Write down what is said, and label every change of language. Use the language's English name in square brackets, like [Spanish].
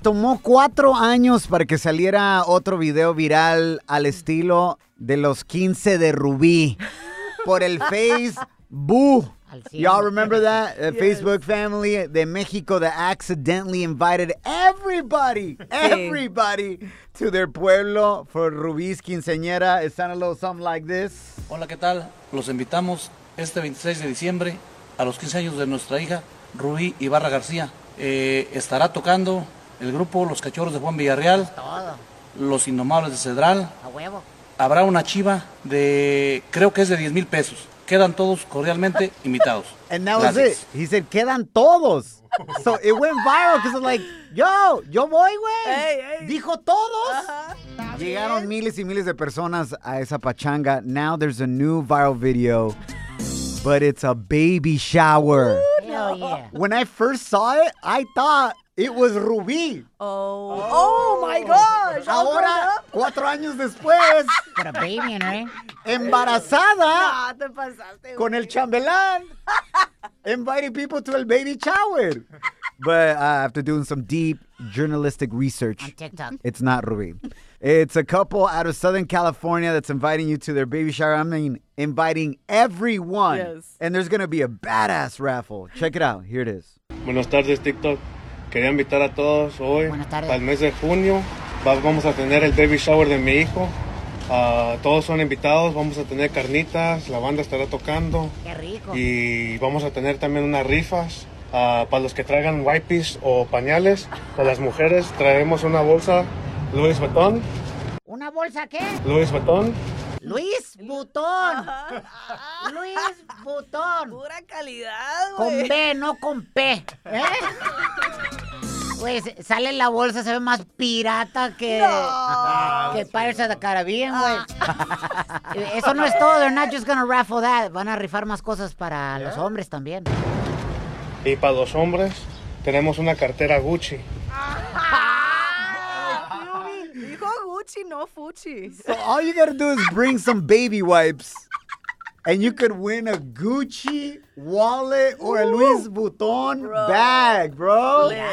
[Spanish] Tomó 4 años para que saliera otro video viral al estilo de los 15 de Rubí por el Facebook. [English] Y'all remember that? The yes. Facebook family [Spanish] de México [English] that accidentally invited everybody to their pueblo for Rubí's quinceañera. It sounded a little something like this. [Spanish] Hola, ¿qué tal? Los invitamos este 26 de diciembre a los 15 años de nuestra hija. Rubí Ibarra García estará tocando el grupo Los Cachorros de Juan Villarreal, Los Indomables de Cedral. A huevo. Habrá una chiva de, creo que es de 10 mil pesos. Quedan todos cordialmente invitados. [English] And that was it. He said, [Spanish] quedan todos. [English] So it went viral because I'm like, [Spanish] yo voy, güey. [English] Hey. [Spanish] Dijo todos. Llegaron miles y miles de personas a esa pachanga. [English] Now there's a new viral video, but it's a baby shower. Ooh. Hell yeah. When I first saw it, I thought it was Rubí. Oh. Oh my gosh. [Spanish] Ahora, 4 años después. [English] Got a baby in her. [Spanish] Embarazada. No, te pasaste. Con el chambelán. [English] Inviting people to el baby shower. But after doing some deep journalistic research. On TikTok. It's not Rubí. It's a couple out of Southern California that's inviting you to their baby shower. I mean, inviting everyone. Yes. And there's going to be a badass raffle. Check it out. Here it is. [Spanish] Buenas tardes, TikTok. Quería invitar a todos hoy. Buenas tardes. Al mes de junio vamos a tener el baby shower de mi hijo. Todos son invitados. Vamos a tener carnitas. La banda estará tocando. Qué rico. Y vamos a tener también unas rifas. Para los que traigan wipes o pañales. Para las mujeres traemos una bolsa. Luis Vuitton. ¿Una bolsa qué? Luis Vuitton. Luis Vuitton. Luis Vuitton. Pura calidad, güey. Con B, no con P. ¿Eh? Güey, sale la bolsa, se ve más pirata que... No. Que Pirates of the Caribbean, güey. Eso no es todo. [English] They're not just gonna raffle that. [Spanish] Van a rifar más cosas para los hombres también. Y para los hombres, tenemos una cartera Gucci. No Gucci. [English] So all you gotta do is bring some baby wipes and you could win a Gucci wallet or a Louis Vuitton bag, bro.